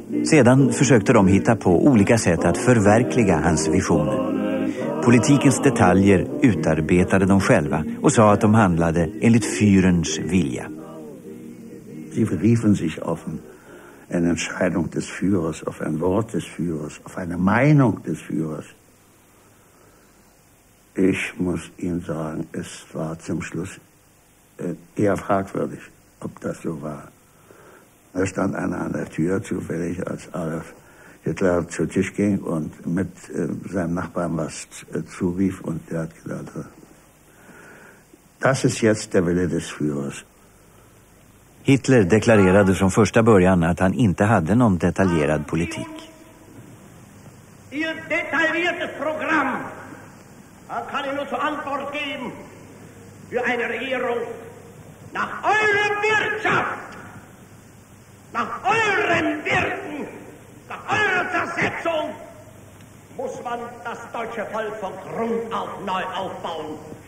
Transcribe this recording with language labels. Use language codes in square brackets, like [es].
[sv] Sedan försökte de hitta på olika sätt att förverkliga hans visioner. Politikens detaljer utarbetade de själva och sa att de handlade enligt Führers vilja. [de] Sie beriefen sich auf eine Entscheidung des Führers, auf ein Wort des Führers, auf eine Meinung des Führers. Ich muss Ihnen sagen, es war zum Schluss eher fragwürdig, ob das so war. Da stand einer an der Tür zufällig, als Adolf Hitler zu Tisch ging und mit seinem Nachbarn was zurief, und der hat gesagt, das ist jetzt der Wille des Führers. [sv] Hitler deklarerade från första början att han inte hade någon detaljerad politik. [de] Ihr detaljiertes Programm, da kann ich nur zur Antwort geben, für eine Regierung nach eurer Wirtschaft, nach euren Werten, nach eurer Zersetzung muss man das deutsche Volk von Grund auf neu aufbauen.